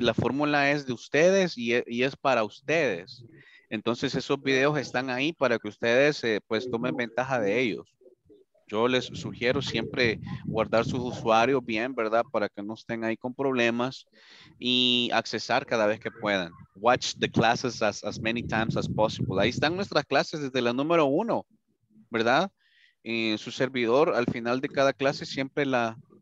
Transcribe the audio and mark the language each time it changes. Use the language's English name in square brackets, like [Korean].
[Spanish] La fórmula es de ustedes y es para ustedes. Entonces esos videos están ahí para que ustedes pues tomen ventaja de ellos. Yo les sugiero siempre guardar sus usuarios bien, ¿verdad? Para que no estén ahí con problemas y accesar cada vez que puedan. [English] Watch the classes as many times as possible. [Spanish] Ahí están nuestras clases desde la número uno, ¿verdad? En su servidor, al final de cada clase, siempre la...